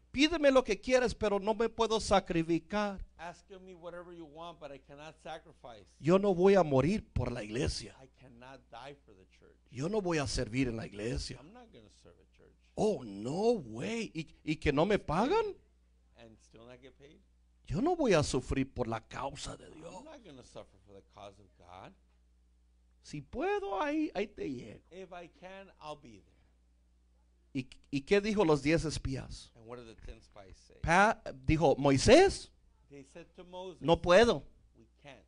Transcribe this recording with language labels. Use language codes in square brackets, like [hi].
[es] Pídeme lo que quieres, pero no me puedo sacrificar. [en] Ask me whatever you want, but I cannot sacrifice. [es] Yo no voy a morir por la iglesia. [en] I cannot die for the church. [es] Yo no voy a servir en la iglesia. [en] I'm not going to serve a church. Oh, no way. [es] ¿Y que no me pagan? [en] And still not get paid? [es] Yo no voy a sufrir por la causa de Dios. [en] I'm not going to suffer for the cause of God. [es] Si puedo, ahí te llego. [en] If I can, I'll be there. [es] ¿Y qué dijo los 10 espías? [en] And what did the 10 spies say? [es] Dijo, Moisés. [en] They said to Moses, [es] no puedo. [en] We can't.